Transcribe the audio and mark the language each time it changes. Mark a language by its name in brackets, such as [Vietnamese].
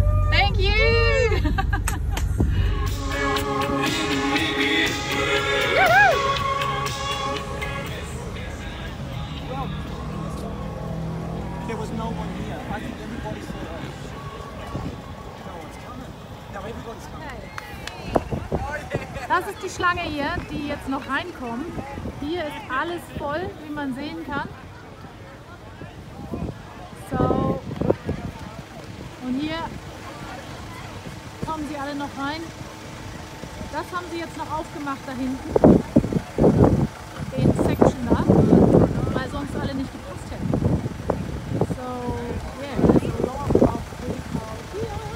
[English] Thank you! There was no one here. I think everybody's here. No one's coming. Now everybody's coming. [German] Das ist die Schlange hier, die jetzt noch reinkommt. Hier ist alles voll, wie man sehen kann. Hier kommen sie alle noch rein. Das haben sie jetzt noch aufgemacht da hinten. Den Section da, weil sonst alle nicht gepasst hätten. [English] So, yeah, there's a lot of people here.